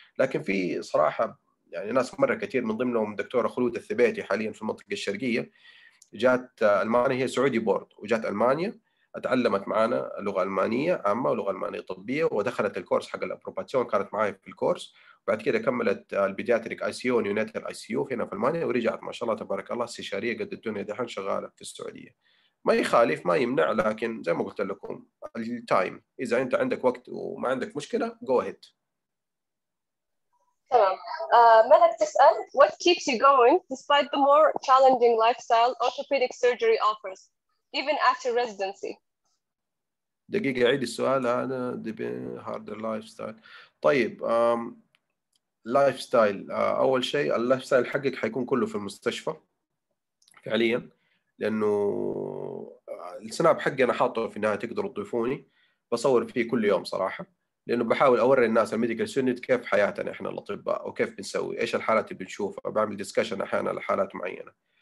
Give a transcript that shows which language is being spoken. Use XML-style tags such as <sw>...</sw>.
<ar>لكن في صراحة يعني ناس مرة كثير من ضمنهم دكتورة خلود الثبيتي حاليا في المنطقة الشرقية، جات ألمانيا، هي سعودي بورد وجات ألمانيا، أتعلمت معنا لغة ألمانية عامة ولغة ألمانية طبية، ودخلت الكورس حق الأبروباتيون، كانت معاي في الكورس، بعد كده كملت البيدياتريك آي سي يو ونيوناتال آي سي يو هنا في ألمانيا، ورجعت ما شاء الله تبارك الله استشارية قد الدنيا، دحين شغالة في السعودية. ما يخالف ما يمنع، لكن زي ما قلت لكم التايم، إذا أنت عندك وقت وما عندك مشكلة</ar> <en>go ahead.</en> <ar>تمام. ملك تسأل</ar> <en>what keeps you going despite the more challenging lifestyle orthopedic surgery offers even after residency.</en> <ar>دقيقة عيد السؤال هذا</ar> <en>harder lifestyle.</en> <ar>طيب lifestyle أول شيء lifestyle حقك حيكون كله في المستشفى فعليا، لأنه السناب حقي أنا حاطه في النهاية تقدروا تضيفوني، بصور فيه كل يوم صراحة، لأنه بحاول أوري الناس الميديكال سنت كيف حياتنا إحنا الأطباء وكيف بنسوي إيش الحالات اللي بنشوفها، بعمل ديسكشن أحيانا لحالات معينة.</ar>